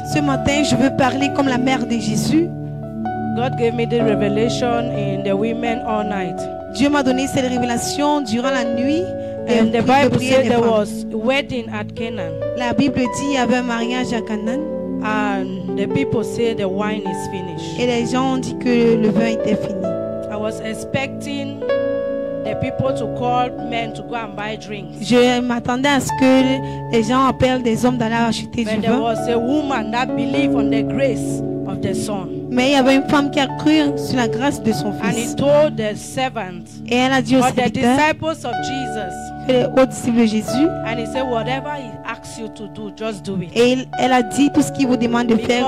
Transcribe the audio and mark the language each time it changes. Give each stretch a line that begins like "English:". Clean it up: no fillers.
French: Ce matin, je veux parler comme la mère de Jésus.
English: God gave me the revelation in the women all night.
French: Dieu m'a donné cette révélation durant la nuit.
English: And the Bible said there was wedding at Canaan.
French: La Bible dit il y avait un mariage à Canaan.
English: And the people say the wine is finished.
French: Et les gens ont dit que le vin était fini.
English: I was expecting the people to call men to go and buy drinks.
French: Je m'attendais à ce que les gens appellent des hommes d'aller acheter du vin.
English: But there was a woman that believed on the grace of the Son.
French: Mais il y avait une femme qui a cru sur la grâce de son fils.
English: And he told the servant,
French: et elle a dit aux serviteurs,
English: the disciples of Jesus,
French: aux disciples de Jésus,
English: and he said, whatever he asks you to do, just do it.
French: Et elle a dit tout ce qu'il vous demande de faire,